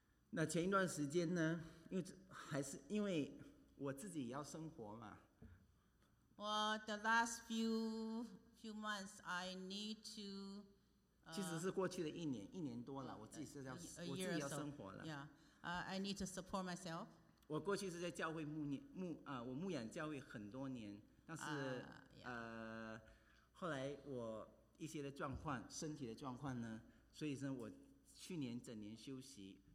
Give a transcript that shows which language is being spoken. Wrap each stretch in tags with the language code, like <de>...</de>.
<zh>那前一段时间呢，因为还是因为我自己也要生活嘛。</zh> <en>Well, the last few months, I need to.</en> <zh>其实是过去的一年多了，我自己是要生活了。</zh> <en>Yeah, I need to support myself.</en> <zh>我过去是在教会我牧养教会很多年，但是后来我一些的状况，身体的状况呢，所以说我去年整年休息。</zh>